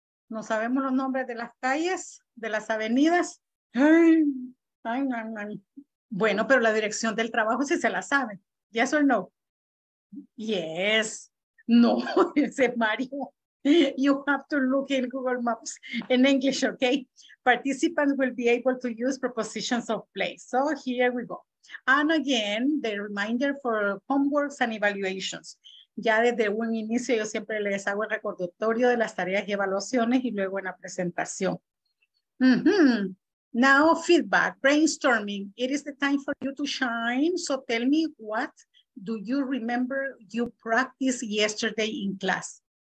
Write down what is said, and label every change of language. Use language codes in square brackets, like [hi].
[es] ¿No sabemos los nombres de las calles, de las avenidas? Ay, ay, ay, ay. Bueno, pero la dirección del trabajo sí se la sabe. [en] ¿Yes or no? Yes. No, dice Mario. You have to look in Google Maps in English, okay? Participants will be able to use prepositions of place. So here we go. And again, the reminder for homeworks and evaluations. [es] Ya desde un inicio yo siempre les hago el recordatorio de las tareas y evaluaciones y luego en la presentación. [en] Mm-hmm. Now feedback, brainstorming. It is the time for you to shine. So tell me, what do you remember you practiced yesterday in class?